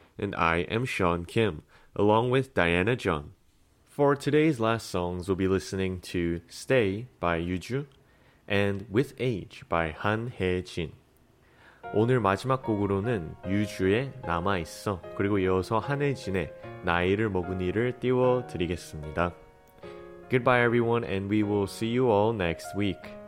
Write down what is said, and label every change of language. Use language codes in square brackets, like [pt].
[en] And I am Sean Kim, along with Diana Jung. For today's last songs, we'll be listening to Stay by Yuju and With Age by Han Hae-jin. [ko] 오늘 마지막 곡으로는 유주의 남아있어 그리고 이어서 한혜진의 나이를 먹은 이를 띄워드리겠습니다. [en] Goodbye, everyone, and we will see you all next week.